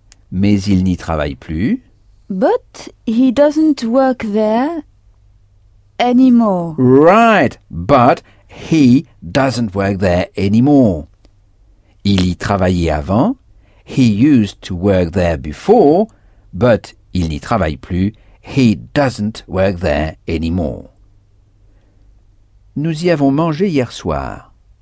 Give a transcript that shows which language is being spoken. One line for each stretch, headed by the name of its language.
French: Mais il n'y travaille plus.
English: But he doesn't work there anymore. Right, but he doesn't work there anymore.
French: Il y travaillait avant.
English: He used to work there before, but
French: il n'y travaille plus.
English: He doesn't work there anymore.
French: Nous y avons mangé hier soir.